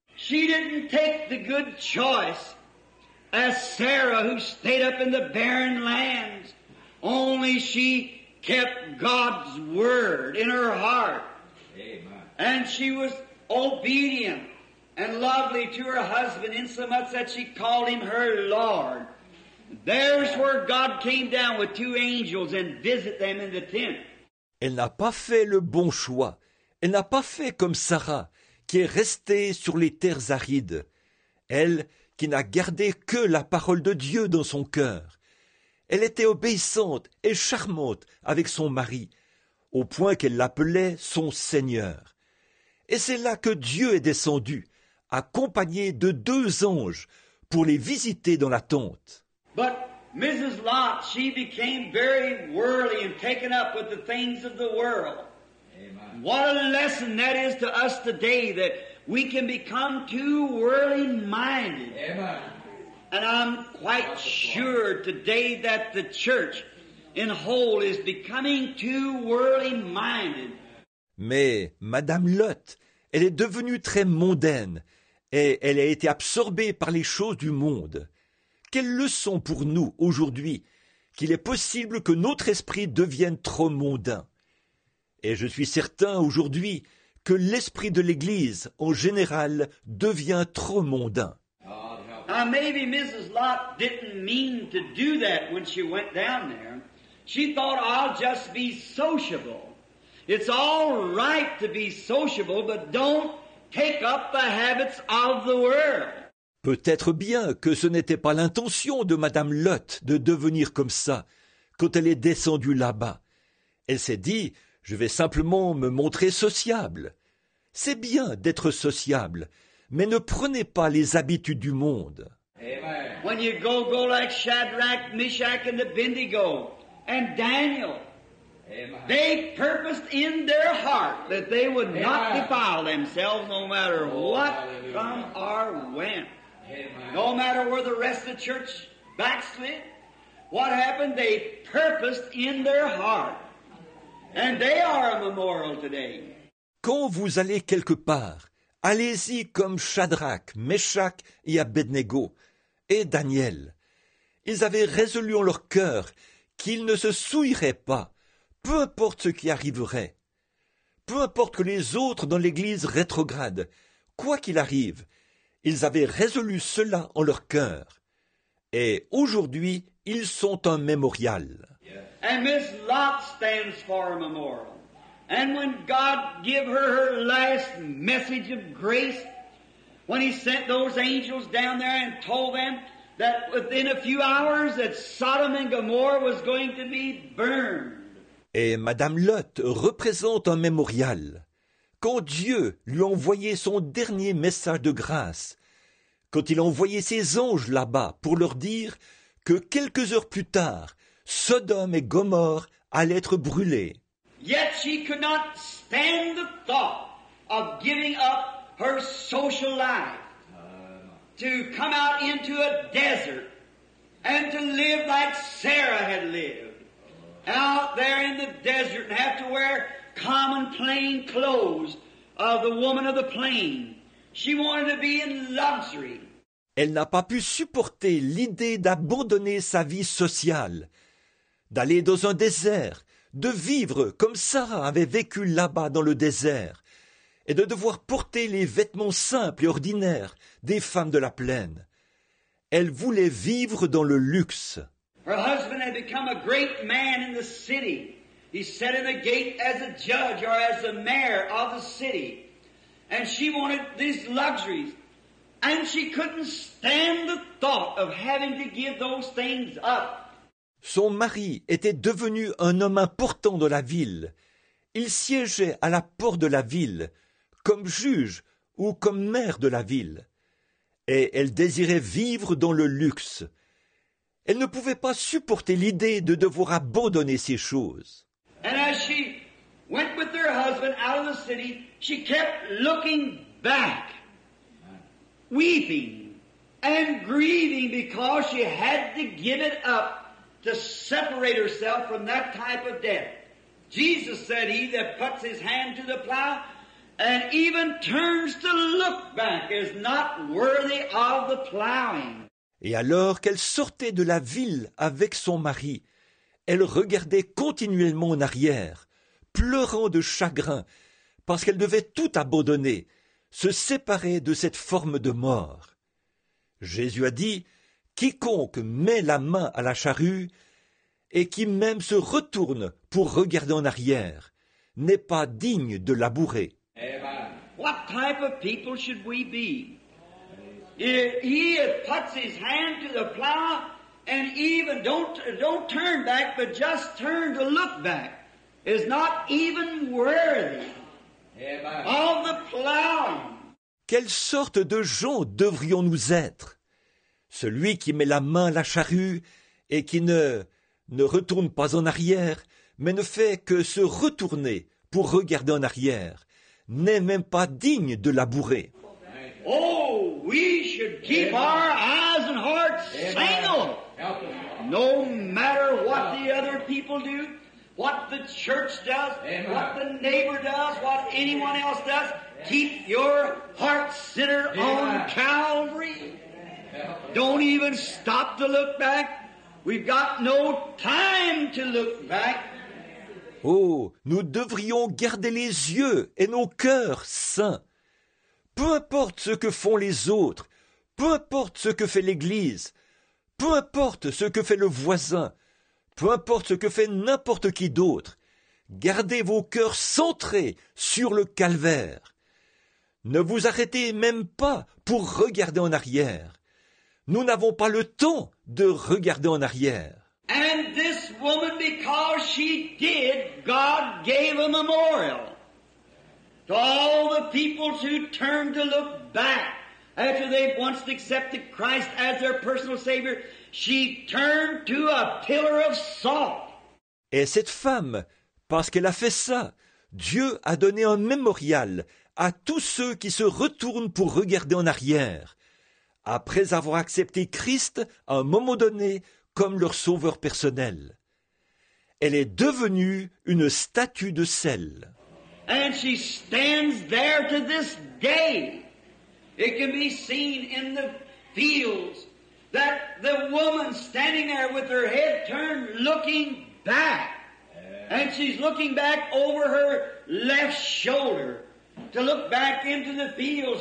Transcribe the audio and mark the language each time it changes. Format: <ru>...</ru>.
<en>She didn't take the good choice as Sarah who stayed up in the barren lands, only she kept God's word in her heart. Amen. And she was obedient and lovely to her husband, insomuch that she called him her Lord. There's where God came down with two angels and visit them in the tent.</en> <fr>Elle n'a pas fait le bon choix. Elle n'a pas fait comme Sarah, qui est restée sur les terres arides. Elle, qui n'a gardé que la parole de Dieu dans son cœur. Elle était obéissante et charmante avec son mari, au point qu'elle l'appelait son Seigneur. Et c'est là que Dieu est descendu, accompagné de deux anges, pour les visiter dans la tente.</fr> <en>But Mrs. Lot, she became very worldly and taken up with the things of the world. Amen. What a lesson that is to us today, that we can become too worldly-minded. Amen. And I'm quite sure today that the church in whole is becoming too worldly-minded.</en> <fr>Mais Madame Lot, elle est devenue très mondaine et elle a été absorbée par les choses du monde. Quelle leçon pour nous aujourd'hui qu'il est possible que notre esprit devienne trop mondain. Et je suis certain aujourd'hui que l'esprit de l'Église en général devient trop mondain.</fr> <en>Now maybe Mrs. Lot didn't mean to do that when she went down there. She thought, I'll just be sociable. It's all right to be sociable, but don't take up the habits of the world.</en> <fr>Peut-être bien que ce n'était pas l'intention de Madame Lot de devenir comme ça quand elle est descendue là-bas. Elle s'est dit, je vais simplement me montrer sociable. C'est bien d'être sociable, mais ne prenez pas les habitudes du monde.</fr> <en>Amen. When you go like Shadrach, Meshach and Abednego and Daniel. Amen. They purposed in their heart that they would Amen. Not defile themselves no matter what, Hallelujah. Come or when. Amen. No matter where the rest of the church backslid, what happened, they purposed in their heart. And they are a memorial today.</en> <fr>Quand vous allez quelque part, allez-y comme Shadrach, Meshach et Abednego, et Daniel. Ils avaient résolu en leur cœur qu'ils ne se souilleraient pas, peu importe ce qui arriverait. Peu importe que les autres dans l'Église rétrogradent, quoi qu'il arrive, ils avaient résolu cela en leur cœur. Et aujourd'hui, ils sont un mémorial.</fr> <en>And Miss Lot stands for a memorial. And when God gave her her last message of grace, when he sent those angels down there and told them that within a few hours that Sodom and Gomorrah was going to be burned.</en> <fr>Et Madame Lot représente un mémorial. Quand Dieu lui a envoyé son dernier message de grâce, quand il a envoyé ses anges là-bas pour leur dire que quelques heures plus tard, Sodome et Gomorrhe allaient être brûlés.</fr> <en>Yet she could not stand the thought of giving up her social life to come out into a desert and to live like Sarah had lived out there in the desert and have to wear common plain clothes of the woman of the plain She wanted to be in luxury.</en> <fr>Elle n'a pas pu supporter l'idée d'abandonner sa vie sociale, d'aller dans un désert, de vivre comme Sarah avait vécu là-bas dans le désert, et de devoir porter les vêtements simples et ordinaires des femmes de la plaine. Elle voulait vivre dans le luxe.</fr> <en>Her husband had become a great man in the city. He sat in the gate as a judge or as the mayor of the city. And she wanted these luxuries. And she couldn't stand the thought of having to give those things up.</en> <fr>Son mari était devenu un homme important dans la ville. Il siégeait à la porte de la ville, comme juge ou comme maire de la ville. Et elle désirait vivre dans le luxe. Elle ne pouvait pas supporter l'idée de devoir abandonner ces choses.</fr> <en>And as she went with her husband out of the city, she kept looking back, weeping and grieving because she had to give it up to separate herself from that type of death. Jesus said, he that puts his hand to the plow and even turns to look back is not worthy of the plowing.</en> <fr>Et alors qu'elle sortait de la ville avec son mari, elle regardait continuellement en arrière, pleurant de chagrin, parce qu'elle devait tout abandonner, se séparer de cette forme de mort. Jésus a dit, « Quiconque met la main à la charrue et qui même se retourne pour regarder en arrière n'est pas digne de labourer. »</fr> <en>What type of people should we be? He puts his hand to the plow and even don't turn back, but just turn to look back is not even worthy of the plow.</en> <fr>Quelle sorte de gens devrions-nous être? Celui qui met la main à la charrue et qui ne retourne pas en arrière, mais ne fait que se retourner pour regarder en arrière, n'est même pas digne de labourer.</fr> <en>Oh, we should keep our eyes and hearts single. No matter what the other people do, what the church does, what the neighbor does, what anyone else does, keep your heart centered on Calvary. Don't even stop to look back. We've got no time to look back.</en> <fr>Oh, nous devrions garder les yeux et nos cœurs saints. Peu importe ce que font les autres, peu importe ce que fait l'Église, peu importe ce que fait le voisin, peu importe ce que fait n'importe qui d'autre, gardez vos cœurs centrés sur le calvaire. Ne vous arrêtez même pas pour regarder en arrière. Nous n'avons pas le temps de regarder en arrière.</fr> <en>And this woman, because she did, God gave a memorial. To all the people who turned to look back after they once accepted Christ as their personal Savior, she turned to a pillar of salt.</en> <fr>Et cette femme, parce qu'elle a fait ça, Dieu a donné un mémorial à tous ceux qui se retournent pour regarder en arrière, après avoir accepté Christ à un moment donné comme leur sauveur personnel. Elle est devenue une statue de sel.</fr> <en>And she stands there to this day. It can be seen in the fields that the woman standing there with her head turned looking back. And she's looking back over her left shoulder to look back into the fields.</en>